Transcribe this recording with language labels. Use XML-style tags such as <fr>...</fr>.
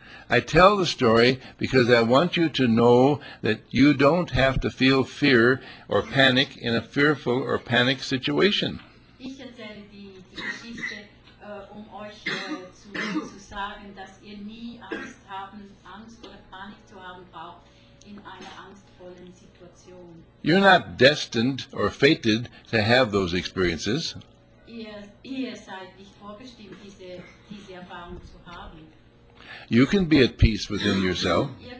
<en>I tell the story because I want you to know that you don't have to feel fear or panic in a fearful or panic situation.</en> <de>Ich erzähle die Geschichte, um euch zu sagen, dass ihr nie Angst oder Panik zu haben braucht in einer angstvollen Situation.</de> <en>You're not destined or fated to have those experiences.</en> <de>Ihr seid nicht vorbestimmt, diese Erfahrung zu haben.</de> <en>You can be at peace within yourself.</en>